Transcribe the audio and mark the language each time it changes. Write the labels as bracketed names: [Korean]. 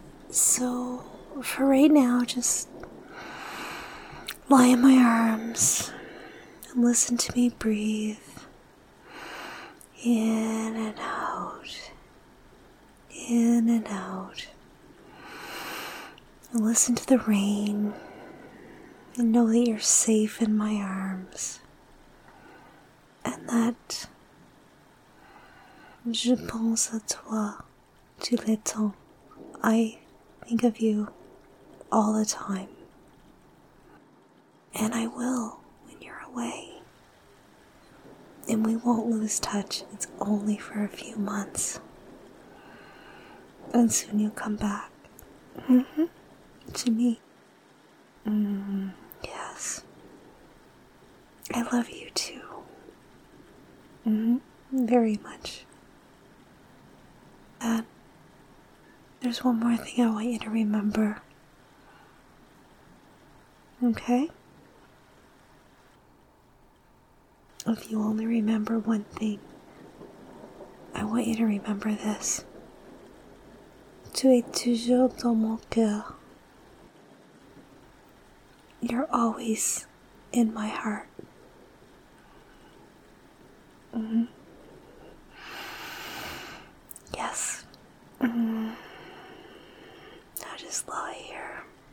[English] So, for right now, just lie in my arms and listen to me breathe. In and out. In and out. Listen to the rain. And know that you're safe in my arms. And that [French] je pense à toi tout le temps. [English] I think of you all the time. And I will when you're away. And we won't lose touch. It's only for a few months. And soon you'll come back. To me. Yes. I love you too. Very much. And there's one more thing I want you to remember. Okay? If you only remember one thing, I want you to remember this. [French] Tu es toujours dans mon cœur. [English] You're always in my heart. Yes. I just lie here.